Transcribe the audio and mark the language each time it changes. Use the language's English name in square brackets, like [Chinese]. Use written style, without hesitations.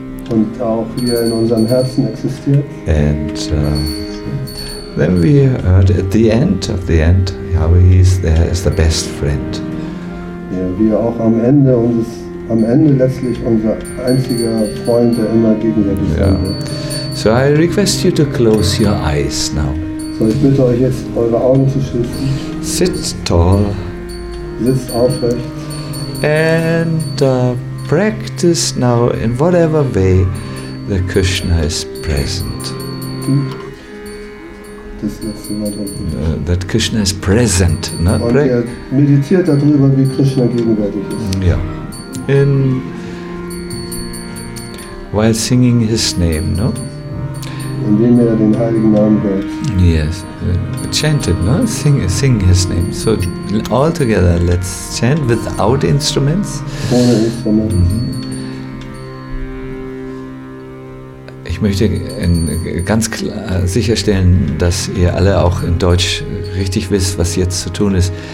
[German] Und auch hier in unserem Herzen existiert. [English] And then we heard at the end, how he is there as the best friend. [German] ja, wir auch am Ende unseres, am Ende letztlich unser einziger Freund, der immer gegenwärtig ist. Ja. [English] So I request you to close your eyes now. [German] So, ich bitte euch jetzt, eure Augen zu schließen. [English] Sit tall. [German] Sitzt aufrecht. [English] And practice now in whatever way the Krishna is present. [German] Das letzte Mal [English] That Krishna is present, not [German] Und er meditiert darüber, wie Krishna gegenwärtig ist. Ja. [English] In while singing his name, no? [German] Indem er den heiligen Namen hört. [English] Yes. Chant it, no? Sing his name. So all together, let's chant without instruments. [German] Ohne Instrument. Mm-hmm. Ich möchte ganz klar sicherstellen, dass ihr alle auch in Deutsch richtig wisst, was jetzt zu tun ist.